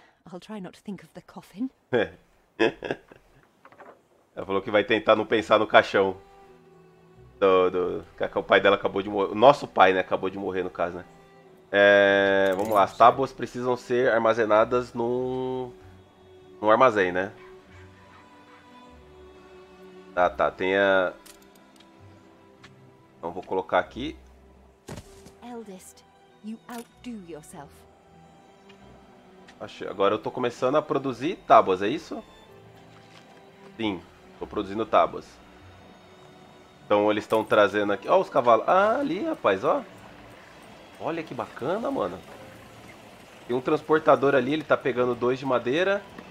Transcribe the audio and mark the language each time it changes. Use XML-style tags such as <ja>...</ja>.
<en>I'll try not to think of the coffin.</en> <pt>Ela falou que vai tentar não pensar no caixão. Que o pai dela acabou de morrer. O nosso pai, né? Acabou de morrer, no caso, né? É, vamos lá. As tábuas precisam ser armazenadas num armazém, né? Tá. Tem a. Então vou colocar aqui.</pt> <en>Eldest, you outdo yourself.</en> <pt>Agora eu tô começando a produzir tábuas, é isso? Sim, tô produzindo tábuas. Então eles estão trazendo aqui. Ó, os cavalos. Ah, ali, rapaz, ó. Olha que bacana, mano. Tem um transportador ali, ele tá pegando dois de madeira.</pt>